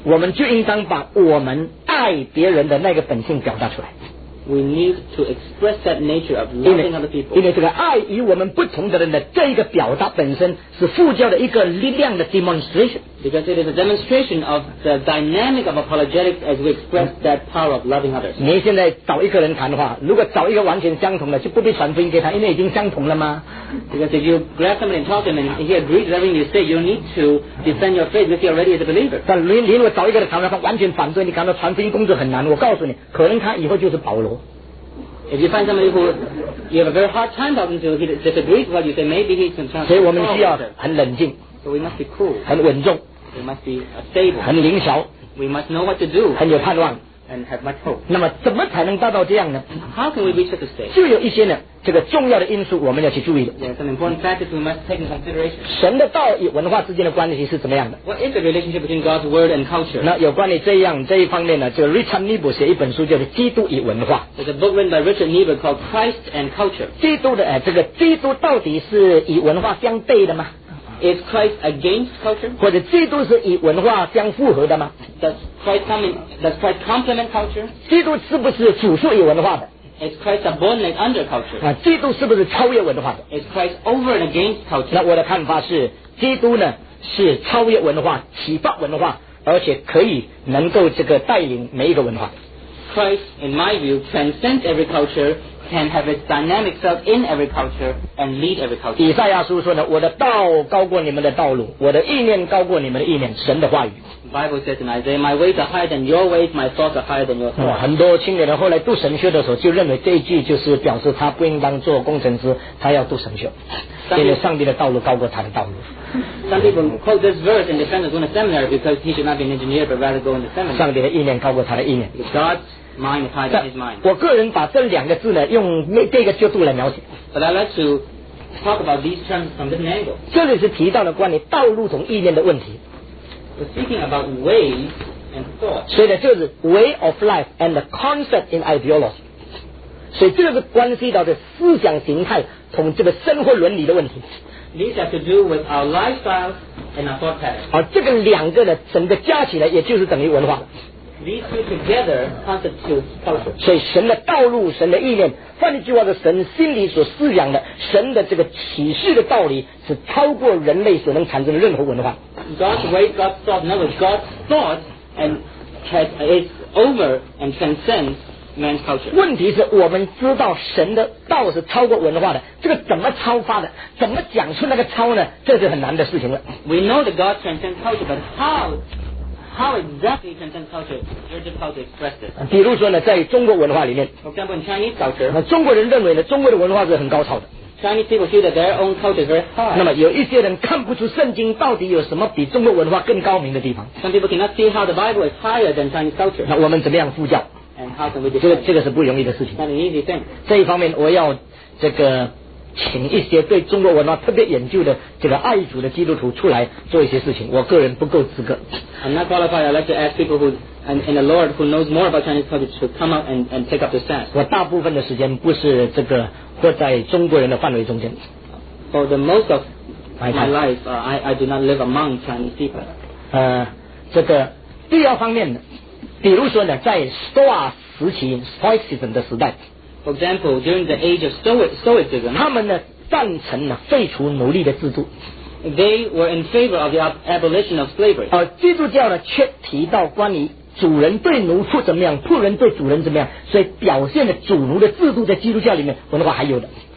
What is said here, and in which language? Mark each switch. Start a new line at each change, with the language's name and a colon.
Chinese: 我们就应当把我们爱别人的那个本性表达出来
English: We need to express that nature of loving other people
Chinese: 因为这个爱与我们不同的人的这个表达本身是副教的一个力量的 demonstration
English: Because it is a demonstration of the dynamic of apologetics as we express that power of loving others
Chinese: 你现在找一个人谈的话如果找一个完全相同的就不必传福音给他因为已经相同了吗
English: Because if you grab somebody and talk to him and he agrees with everything you say you need to defend your faith if he already is a believer
Chinese: 但如果找一个人谈的话完全反对你感到传福音工作很难我告诉你可能他以后就是保罗
English: If you find somebody who you have a very hard time talking to he disagrees with what you say maybe he's going to turn
Chinese: 所以我们需要很冷静
English: So we must be cool.
Chinese: 很稳重
English: We must be stable.
Chinese: 很灵巧
English: We must know what to do.
Chinese: 很有盼望
English: And have much hope.
Chinese: 那么怎么才能达到这样呢
English: How can we reach this state?
Chinese: 就有一些呢这个重要的因素我们要去注意的
English: There are some important factors we must take into consideration.
Chinese: 神的道与文化之间的关系是怎么样的
English: What is the relationship between God's word and culture?
Chinese: 那有关于这样这一方面呢这个 Richard Niebuhr 写一本书叫做基督与文化
English: There's a book written by Richard Niebuhr called Christ and Culture.
Chinese: 基督的这个基督到底是与文化相对的吗
English: Is Christ against culture?
Chinese: 或者基督是与文化相符合的吗？
English: Does Christ complement culture?
Chinese: 基督是不是主属于文化的？
English: Is Christ above and under culture?
Chinese: 啊，基督是不是超越文化的？
English: Is Christ over and against culture?
Chinese: 那我的看法是，基督呢是超越文化，启发文化，而且可以能够这个带领每一个文化。
English: Christ, in my view, transcends every culture, can have its dynamic self in every culture, and lead every culture.
Chinese: 以赛亚书说呢，我的道高过你们的道路，我的意念高过你们的意念，神的话语。
English: The Bible says in Isaiah, my ways are higher than your ways, my thoughts are higher than your thoughts.、
Chinese: 很多青年人后来读神学的时候，就认为这一句就是表示他不应当做工程师，他要读神学，因为上帝的道路高过他的道路。
English: Some people quote this verse in defense of going to seminary because he should not be an engineer but rather go in the seminary.
Chinese: 上帝的意念高过他的意念。
English: God's mind is higher than his mind.
Chinese: 我个人把这两个字呢，用这个角度来描写。
English: But I'd like to talk about these terms from different angles.
Chinese: 这里是提到了关于道路同意念的问题。
English: We're speaking about ways and thoughts.
Chinese: 所以呢，就是
English: way of life and the concept in ideology.
Chinese: 所以这个是关系到的思想形态同这个生活伦理的问题。
English: These have to do with our lifestyles and our thought patterns.
Chinese: 而这个两个呢，整个加起来也就是等于文化。
English: These two together constitute culture.
Chinese: 所以神的道路、神的意念，换句话说，神心里所思想的、神的这个启示的道理，是超过人类所能产生的任何文化。
English: God's way, God's thought, in other words, God's thought and is over and transcends.
Chinese: 问题是我们知道神的道是超过文化的，这个怎么超发的，怎么讲出那个超呢，这是很难的事情了。
English: We know that God transcends culture, but how exactly transcends culture, you're just how to express it.
Chinese: 比如说呢，在中国文化里面，
English: For example, in Chinese culture,
Chinese: 中国人认为呢，中国的文化是很高超的。
English: Chinese people feel that their own culture is very high.
Chinese: 那么有一些人看不出圣经到底有什么比中国文化更高明的地方。
English: Some people cannot see how the Bible is higher than Chinese culture.
Chinese: 那我们怎么样呼叫，这个是不容易的事情。这一方面我要这个请一些对中国文化特别研究的这个爱主的基督徒出来做一些事情，我个人不够资格。
English: I'm not qualified. I'd like to ask people who in the Lord who knows more about Chinese culture to come up and take up the stand.
Chinese: 我大部分的时间不是这个或在中国人的范围中间。
English: For the most of my life, I do not live among Chinese people.
Chinese: 这个第二方面呢，比如说呢，在 Stoa 时期 Stoicism 的时代，
English: For example, during the age of Stoicism,
Chinese: 他们呢赞成呢废除奴隶的制度。
English: They were in favor of the abolition of slavery.
Chinese: 而基督教呢却提到关于主人对奴仆怎么样，仆人对主人怎么样，所以表现的主奴的制度在基督教里面文化还有的。